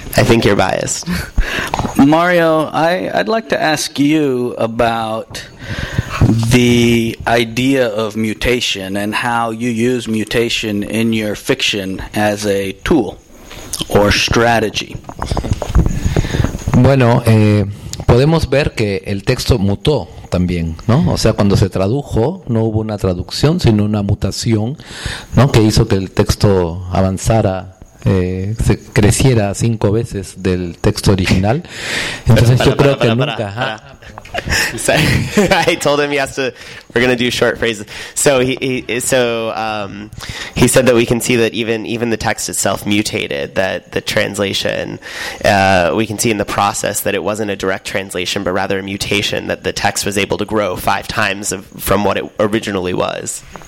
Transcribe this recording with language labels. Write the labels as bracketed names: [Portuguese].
[English] I think you're biased. Mario, I'd like to ask you about the idea of mutation and how you use mutation in your fiction as a tool or strategy. [Spanish] Bueno, podemos ver que el texto mutó también, ¿no? O sea, cuando se tradujo, no hubo una traducción, sino una mutación, ¿no? Que hizo que el texto avanzara, se creciera 5 veces del texto original. Entonces, [English] I told him we're going to do short phrases. So he said that we can see that even the text itself mutated, that the translation, we can see in the process that it wasn't a direct translation, but rather a mutation, that the text was able to grow 5 times from what it originally was.